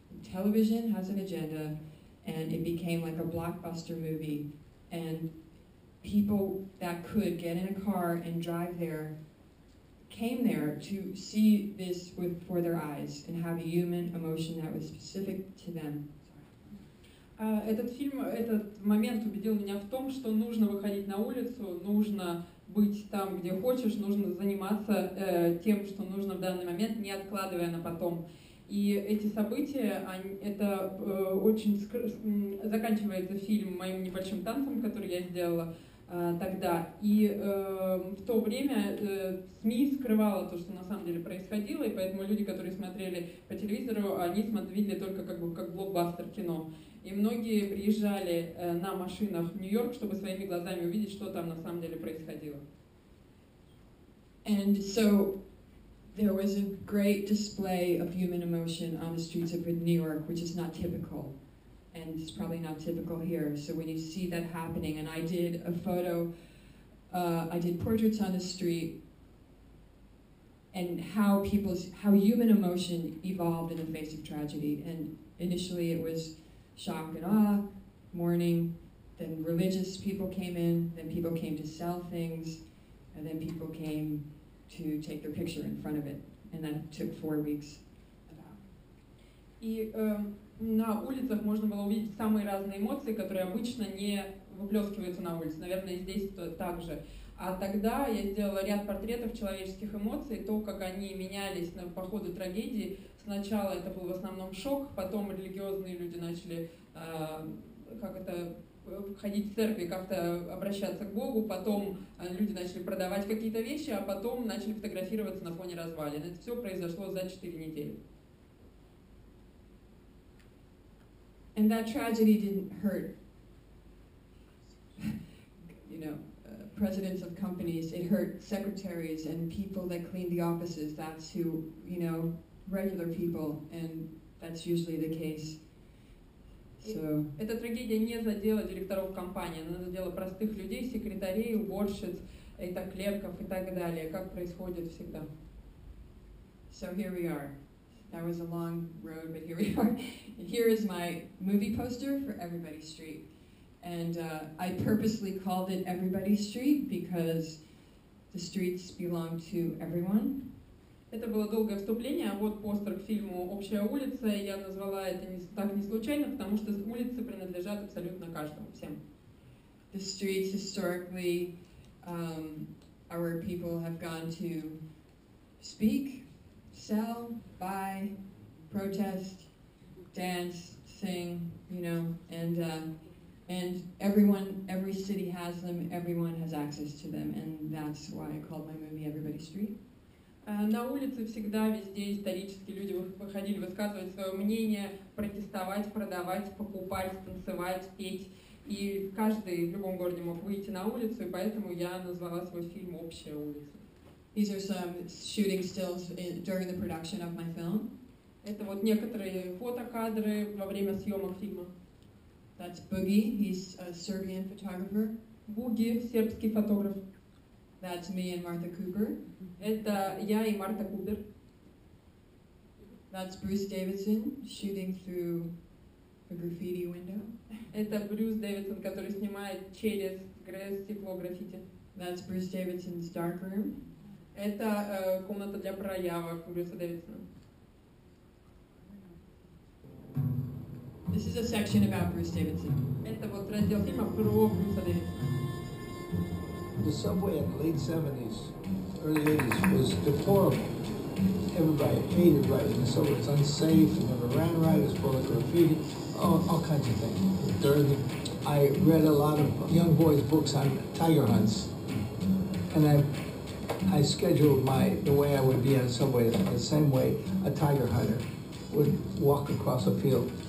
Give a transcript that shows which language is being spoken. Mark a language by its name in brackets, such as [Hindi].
[English] Television has an agenda, and it became like a blockbuster movie, and people that could get in a car and drive there came there to see this with for their eyes and have a human emotion that was specific to them. [Russian] Этот фильм, этот момент убедил меня в том, что нужно выходить на улицу, нужно быть там, где хочешь, нужно заниматься тем, что нужно в данный момент, не откладывая на потом. И эти события, они, это очень заканчивается фильм моим небольшим танцем, который я сделала тогда. И в то время СМИ скрывало то, что на самом деле происходило, и поэтому люди, которые смотрели по телевизору, они смотрели только как бы как блокбастер кино. И многие приезжали на машинах в Нью-Йорк, чтобы своими глазами увидеть, что там на самом деле происходило. [English] And so there was a great display of human emotion on the streets of New York, which is not typical. And it's probably not typical here. So when you see that happening, and I did a photo, I did portraits on the street, and how people's, how human emotion evolved in the face of tragedy. And initially it was shock and awe, mourning, then religious people came in, then people came to sell things, and then people came to take their picture in front of it. And that took 4 weeks about. [Russian] На улицах можно было увидеть самые разные эмоции, которые обычно не выплескиваются на улице. Наверное, здесь так же. А тогда я сделала ряд портретов человеческих эмоций, то, как они менялись по ходу трагедии. Сначала это был в основном шок, потом религиозные люди начали как это, ходить в церкви, как-то обращаться к Богу, потом люди начали продавать какие-то вещи, а потом начали фотографироваться на фоне развалин. Это все произошло за 4 недели. [English] And that tragedy didn't hurt, you know, presidents of companies. It hurt secretaries and people that clean the offices. That's who, you know, regular people, and that's usually the case. So. [Russian] Эта трагедия не задела директоров компании. Она задела простых людей, секретарей, уборщиц, это клерков и так далее. Как происходит всегда. [English] So here we are. That was a long road, but here we are. And here is my movie poster for Everybody Street. And I purposely called it Everybody Street because the streets belong to everyone. [Russian] Это было долгое вступление, а вот постер к фильму «Общая улица», и я назвала это не, так не случайно, потому что улицы принадлежат абсолютно каждому, всем. [English] The streets historically, our people have gone to speak, sell, buy, protest, dance, sing, you know, and everyone, every city has them, everyone has access to them, and that's why I called my movie Everybody Street. [Russian] На улице всегда, везде исторически люди выходили высказывать свое мнение, протестовать, продавать, покупать, танцевать, петь, и каждый в любом городе мог выйти на улицу, и поэтому я назвала свой фильм «Общая улица». [English] These are some shooting stills during the production of my film. [Russian] Это вот некоторые фотокадры во время съемок фильма. [English] That's Boogie. He's a Serbian photographer. [Russian] Boogie, сербский фотограф. [English] That's me and Martha Cooper. [Russian] Это я и Марта Купер. [English] That's Bruce Davidson shooting through a graffiti window. [Russian] Это Брюс Дэвидсон, который снимает через стекло граффити. [English] That's Bruce Davidson's dark room. [Russian] Это комната для проявок Брюса Дэвидсона. [English] This is a section about Bruce Davidson. [Russian] Это вот раздел фильма про Брюса Дэвидсона. [English] The subway in the late 70s, early 80s was deplorable. Everybody hated riding the subway. It's unsafe. It never ran right. It's full of graffiti. All kinds of things. Dirty. I read a lot of young boys' books on tiger hunts, and I scheduled the way I would be on the subway the same way a tiger hunter would walk across a field.